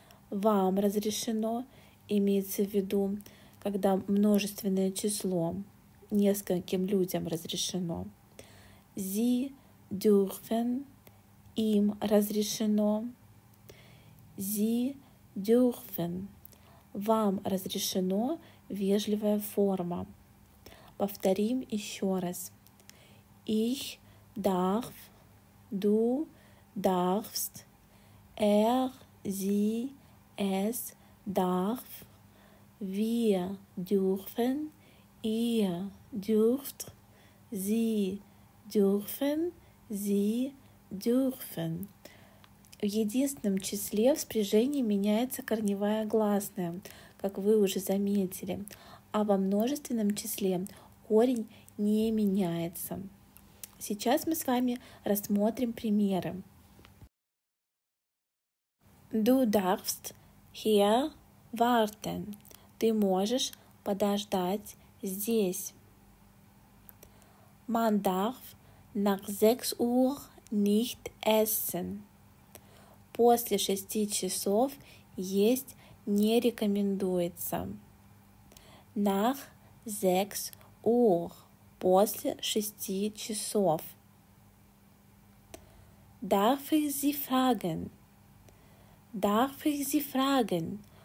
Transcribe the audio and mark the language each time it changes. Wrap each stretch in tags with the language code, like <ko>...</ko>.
<ru>Вам разрешено, имеется в виду, когда множественное число нескольким людям разрешено.</ru> <de>sie dürfen,</de> <ru>им разрешено.</ru> <de>Sie dürfen,</de> <ru>вам разрешено, вежливая форма. Повторим еще раз.</ru> <de>Ich darf, du darfst, sie, es darf, wir dürfen, ihr dürft, sie dürfen, sie dürfen.</de> <ru>В единственном числе в спряжении меняется корневая гласная, как вы уже заметили, а во множественном числе корень не меняется. Сейчас мы с вами рассмотрим примеры.</ru> <de>Du darfst hier warten.</de> <ru>Ты можешь подождать здесь.</ru> <de>Man darf nach 6 Uhr nicht essen.</de> <ru>После 6 часов есть не рекомендуется.</ru> <de>Nach 6 Uhr.</de> <ru>После 6 часов.</ru> <de>Darf ich Sie fragen? Darf ich Sie fragen?</de>